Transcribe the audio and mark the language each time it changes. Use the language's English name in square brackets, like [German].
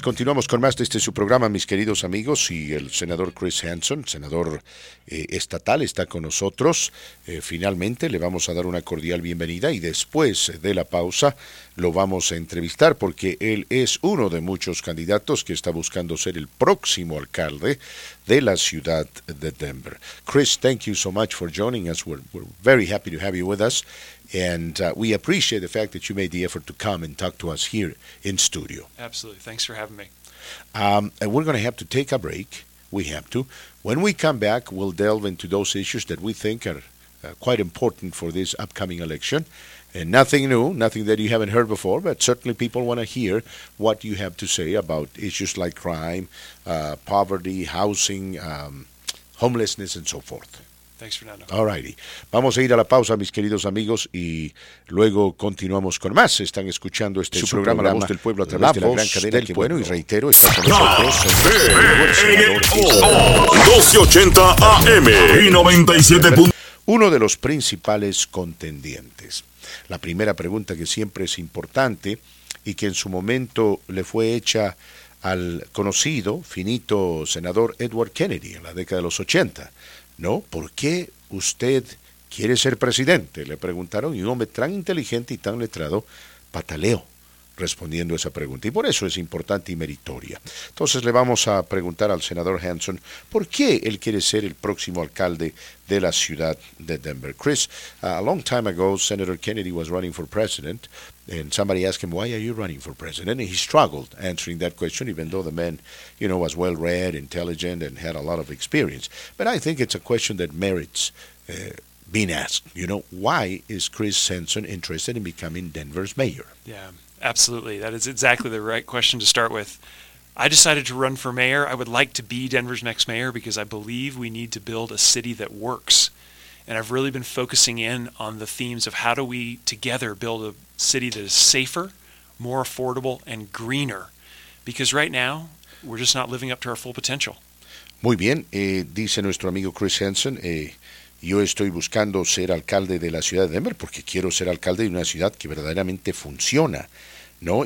[Spanish] Continuamos con más de este su programa, mis queridos amigos. Y el senador Chris Hanson, senador estatal, está con nosotros. Finalmente le vamos a dar una cordial bienvenida y después de la pausa lo vamos a entrevistar porque él es uno de muchos candidatos que está buscando ser el próximo alcalde de la ciudad de Denver. [English] Chris, thank you so much for joining us. We're very happy to have you with us. And we appreciate the fact that you made the effort to come and talk to us here in studio. Absolutely. Thanks for having me. And we're going to have to take a break. We have to. When we come back, we'll delve into those issues that we think are quite important for this upcoming election. And nothing new, nothing that you haven't heard before, but certainly people want to hear what you have to say about issues like crime, poverty, housing, homelessness, and so forth. Thanks, Fernando. All righty. [Spanish] Vamos a ir a la pausa, mis queridos amigos, y luego continuamos con más. Están escuchando este su programa La Voz del Pueblo a través de la gran cadena del Pueblo. Y reitero, está con nosotros. 1280 AM y 97. Uno de los principales contendientes. La primera pregunta que siempre es importante y que en su momento le fue hecha al conocido, finito senador Edward Kennedy en la década de los 80. No, ¿por qué usted quiere ser presidente? Le preguntaron, y un hombre tan inteligente y tan letrado pataleó respondiendo esa pregunta. Y por eso es importante y meritoria. Entonces le vamos a preguntar al senador Hanson, ¿por qué él quiere ser el próximo alcalde de la ciudad de Denver? [English] Chris, a long time ago, Senator Kennedy was running for president, and somebody asked him, why are you running for president? And he struggled answering that question, even though the man, you know, was well-read, intelligent, and had a lot of experience. But I think it's a question that merits being asked. You know, why is Chris Hanson interested in becoming Denver's mayor? Yeah. Absolutely. That is exactly the right question to start with. I decided to run for mayor. I would like to be Denver's next mayor because I believe we need to build a city that works. And I've really been focusing in on the themes of how do we together build a city that is safer, more affordable, and greener. Because right now, we're just not living up to our full potential. [Spanish] Muy bien, dice nuestro amigo Chris Hansen, yo estoy buscando ser alcalde de la ciudad de Denver porque quiero ser alcalde de una ciudad que verdaderamente funciona, ¿no?